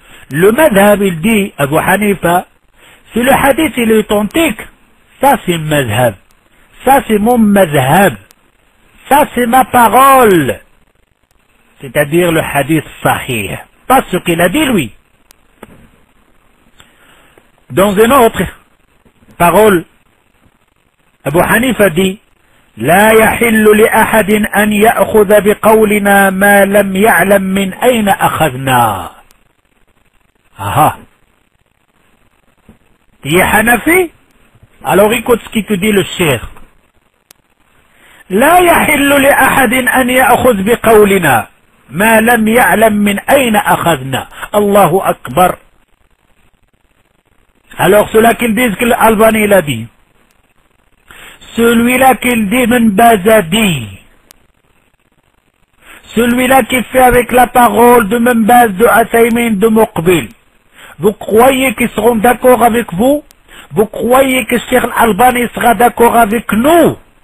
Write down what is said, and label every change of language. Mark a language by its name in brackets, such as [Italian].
[French] Le madhhab il dit, Abu Hanifa, si le hadith il est authentique, ça c'est un madhhab. Ça c'est mon madhhab. Ça c'est ma parole. C'est-à-dire le hadith sahih. Pas ce qu'il a dit lui. Dans une autre parole, Abu Hanifa dit, [Arabic] لا يحل لأحد أن يأخذ بقولنا ما لم يعلم من أين أخذنا. Aha. [French] Tu es Hanafi? Alors écoute ce qui te dit le Cheikh. [Arabic] لا يحل لأحد أن يأخذ بقولنا ما لم يعلم من أين أخذنا. الله أكبر. [French] Alors cela qu'il dit, ce que l'Albanais l'a dit. Celui-là qu'il dit من بازادي. Celui-là qu'il fait avec la parole de من باز de أثيمين de مقبل. Vous croyez qu'ils seront d'accord avec vous? Vous croyez que Cheikh l'Albanais sera d'accord avec nous?